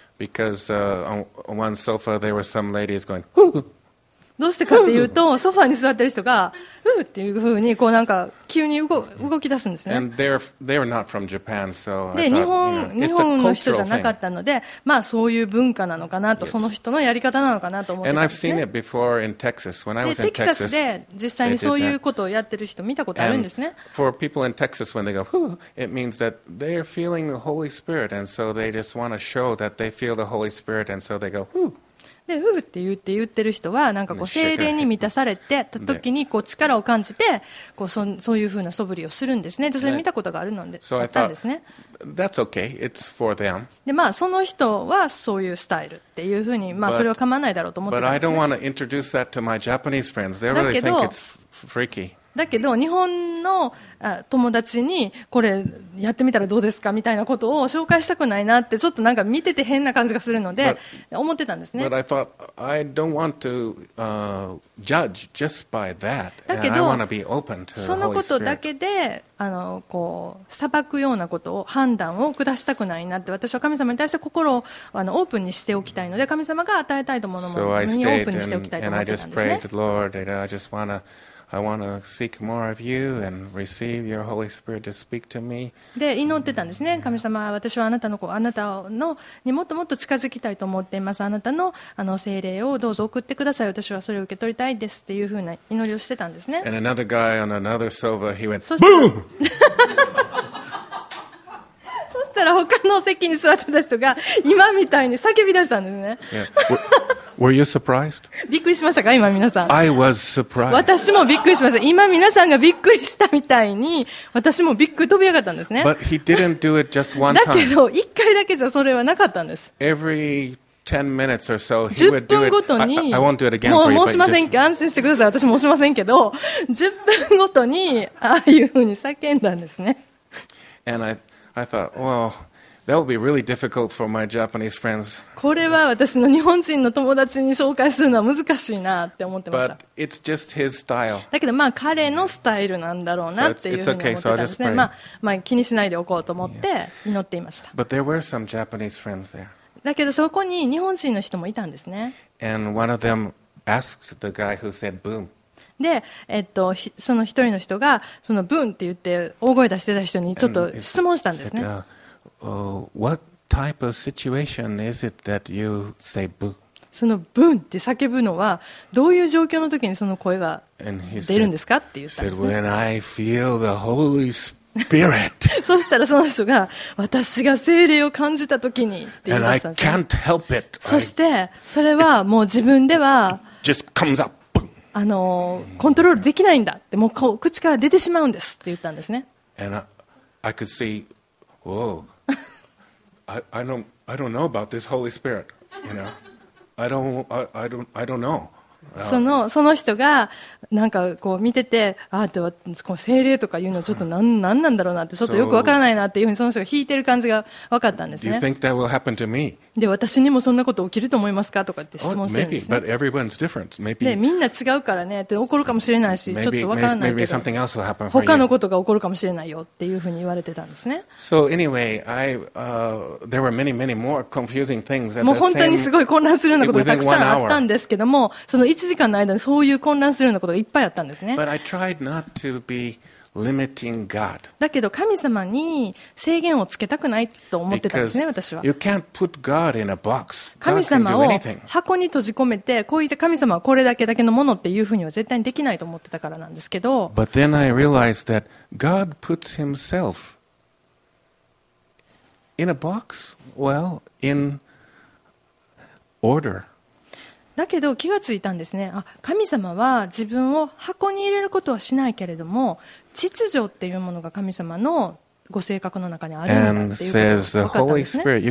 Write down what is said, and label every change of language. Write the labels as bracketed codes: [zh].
[en] Because, on one sofa, there were some ladies going, [ja] どうしてかっていうとソファに座ってる人がふーっていう風にこうなんか急に動き出すんですね。 [en] And they're not from Japan, so I thought, you know, [ja] 日本の人じゃなかったので、まあそういう文化なのかなと、その人のやり方なのかなと思ってたんですね。 [en] And I've seen it before in Texas. When I was in Texas, [ja] で、テキサスで実際にそういうことをやってる人見たことあるんですね。 [en] And for people in Texas, when they go, whoo, it means that they're feeling the Holy Spirit, and so they just want to show that they feel the Holy Spirit, and so they go, whoo. [ja] で、ふうって言ってる人はなんかこう精霊に満たされてた時にこう力を感じてこう そういうふうな素振りをするんですね。で、それ見たことがあるのであったんですね。 [en] That's okay. It's for them. [ja] で、まあその人はそういうスタイルっていうふうに、まあそれは構わないだろうと思ってたんですね。 [en] But I don't want to introduce that to my Japanese friends. They really think it's freaky. [ja] だけど日本の友達にこれやってみたらどうですかみたいなことを紹介したくないなって、ちょっとなんか見てて変な感じがするので思ってたんですね。 [en] But I thought I don't want to judge just by that. [ja] だけど [en] I want to be open to the [ja] そのことだけでこう裁くようなことを判断を下したくないなって、私は神様に対して心をオープンにしておきたいので、神様が与えたいと思うものにオープンにしておきたいと思ってたんですね。 [en] And I just prayed to the Lord and I just want toI want to seek more of you and receive your Holy Spirit to speak to me. [ja] で、祈ってたんですね。神様、私はあなたのにもっともっと近づきたいと思っています。あなたの聖霊をどうぞ送ってください。私はそれを受け取りたいですっていうふうな祈りをしてたんですね。 [en] And another guy on another sofa, he went, BOOM! [ja] そしたら他の席に座ってた人が今みたいに叫び出したんですね。 [en] Were you surprised? [ja] びっくりしましたか今皆さん。 [en] I was surprised. [ja] 私もびっくりしました。今皆さんがびっくりしたみたいに、私もびっくり飛び上がったんですね。 [en] But he didn't do it just one [ja] time. だけど、一回だけじゃそれはなかったんです。 [en] Every 10 minutes or so, he would do it. 10 [ja] 分ごとに、 [en] I won't do it again for you, [ja] もう申しませんけど、安心してください。私申しませんけど、10分ごとに、ああいうふうに叫んだんですね。 [en] And I thought, well,That would be really difficult for my Japanese friends. [ja] これは私の日本人の友達に紹介するのは難しいなって思ってました。 But it's just his style. だけどまあ彼のスタイルなんだろうなっていうふうに思ってたんですね。まあ気にしないでおこうと思って祈っていました。 [en] But there were some Japanese friends there. [ja] だけどそこに日本人の人もいたんですね。 [en] And one of them asked the guy who said boom. [ja] で、その一人の人がそのブンって言って大声出してた人にちょっと質問したんですね。 [en] What type of situation is it that you say ブン？ [ja] そのブンって叫ぶのはどういう状況の時にその声が出るんですかって言ったんですね。 [en] When I feel the Holy Spirit. Spirit. [ja] そしたらその人が私が聖霊を感じた時にって言いました [en] ね。And I can't help it. [ja] そしてそれはもう自分では [en] Just comes up. [ja] コントロールできないんだってもう口から出てしまうんですって言ったんですね。 [en] And I could see, whoa, I don't know about this Holy Spirit. You know, I don't know. [ja] その人がなんかこう見てて、ああ、では精霊とかいうのはちょっと何なんだろうなって、ちょっとよくわからないなっていうふうにその人が引いてる感じがわかったんですね。 [en] Do you think that will happen to me? [ja] で、私にもそんなこと起きると思いますかとかって質問してるんですね。 [en] Oh, maybe, but everyone's different. Maybe. [ja] で、みんな違うからねって起こるかもしれないし、ちょっとわからないけど、 [en] maybe something else will happen for you. [ja] 他のことが起こるかもしれないよっていうふうに言われてたんですね。 [en] So anyway, there were many, many more confusing things. [ja] もう本当にすごい混乱するようなことがたくさんあったんですけども、その1時間の間にそういう混乱するようなことがいっぱいあったんですね。 [en] But I tried not to be limiting God. [ja] だけど神様に制限をつけたくないと思ってたんですね、私は。 [en] You can't put God in a box. [ja] 神様を箱に閉じ込めて、こういった神様はこれだけのものっていうふうには絶対にできないと思ってたからなんですけど。 [en] But then I realized that God puts himself in a box, well, in order. [ja] だけど気がついたんですね。あ、神様は自分を箱に入れることはしないけれども、秩序っていうものが神様のご性格の中にあるんだっていうことが分かったんですね。